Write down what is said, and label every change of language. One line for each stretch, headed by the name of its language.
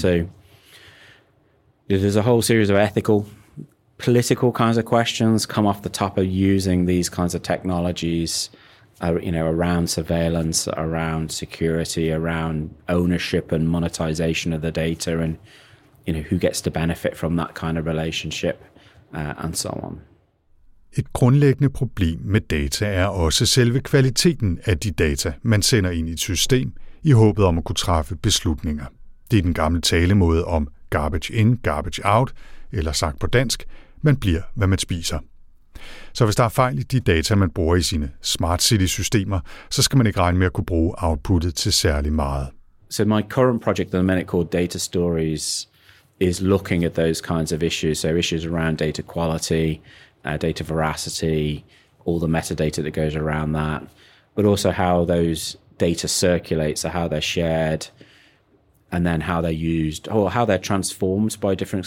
English: So there's a whole series of ethical, political kinds of questions come off the top of using these kinds of technologies, around surveillance, around security, around ownership and monetization of the data, and who gets to benefit from that kind of relationship, and so on.
Danish: Et grundlæggende problem med data er også selve kvaliteten af de data, man sender ind i et system i håbet om at kunne træffe beslutninger. Det er den gamle talemåde om
English: garbage in, garbage out,
Danish: eller sagt på dansk, man bliver, hvad man spiser. Så hvis der er fejl i de data, man bruger i sine smart city-systemer, så skal man ikke regne med at kunne bruge outputtet til særlig meget.
English: So my current project at the minute called Data Stories is looking at those kinds of issues. So issues around data quality, data veracity, all the metadata that goes around that, but also how those data circulate, so how they're shared, and then how they're used or how they're transformed by different.